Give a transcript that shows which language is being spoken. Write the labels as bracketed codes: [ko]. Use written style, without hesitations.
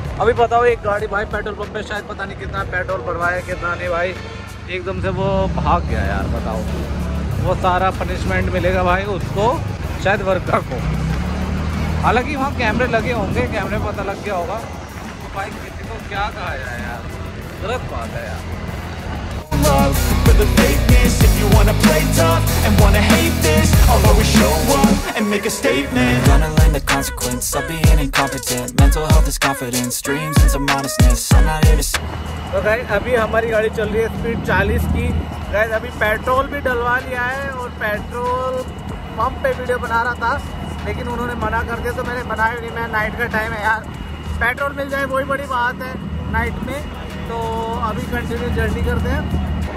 [hi] अभी बताओ एक गाड़ी भाई पेट्रोल पंप पे शायद पता नहीं कितना पेट्रोल भरवाया कितना नहीं, भाई एकदम से वो भाग गया यार। बताओ वो सारा पनिशमेंट मिलेगा भाई उसको, शायद वर्कर को। हालांकि वहाँ कैमरे लगे होंगे, कैमरे पता लग गया होगा तो भाई किसी को क्या कहा जाए यार, गलत बात है यार। [en] For the fakeness, if you wanna play tough and wanna hate this, I'll always show up and make a statement. I'm gonna learn the consequence of being incompetent. Mental health is confidence, dreams and some modestness. I'm not here to see. [hi] So guys, अभी हमारी गाड़ी चल रही है speed 40 की। Guys अभी petrol भी डलवा लिया है और पेट्रोल पंप पे वीडियो बना रहा था लेकिन उन्होंने मना कर दिया, तो मैंने बनाया नहीं। मैं नाइट का टाइम है यार, पेट्रोल मिल जाए वही बड़ी बात है नाइट में, तो अभी कंटिन्यू जर्नी करते हैं।